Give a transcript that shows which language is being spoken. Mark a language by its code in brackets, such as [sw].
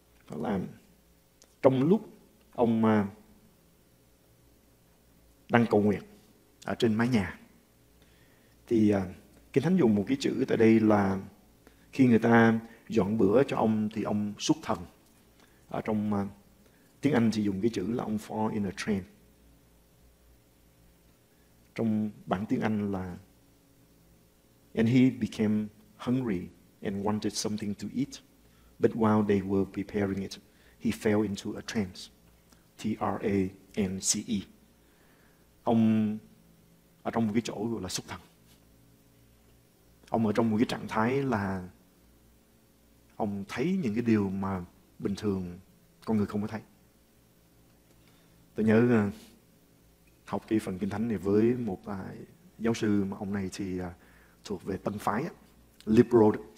[vi] Đó là trong lúc ông đang cầu nguyện ở trên mái nhà, thì Kinh Thánh dùng một cái chữ tại đây là khi người ta dọn bữa cho ông thì ông xuất thần. Ở trong tiếng Anh thì dùng cái chữ là ông [en] fall in a trance. [vi] Trong bản tiếng Anh là [en] and he became hungry and wanted something to eat, but while they were preparing it, he fell into a trance. T-R-A-N-C-E. [vi] Ông ở trong một cái chỗ gọi là xuất thần. Ông ở trong một cái trạng thái là ông thấy những cái điều mà bình thường con người không có thấy. Tôi nhớ học cái phần Kinh Thánh này với một giáo sư mà ông này thì thuộc về tân phái, liberal.